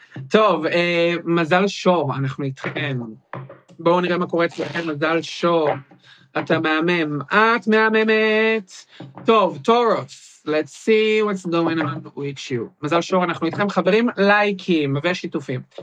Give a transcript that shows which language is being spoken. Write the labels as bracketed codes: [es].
[he] טוב, מזל שור, אנחנו איתכם, בואו נראה מה קורה אצלכם, מזל שור. אתה מהמם, את מהממת. [en] טוב, טורוס, let's see what's going on with you. [he] מזל שור, אנחנו איתכם חברים, לייקים ושיתופים.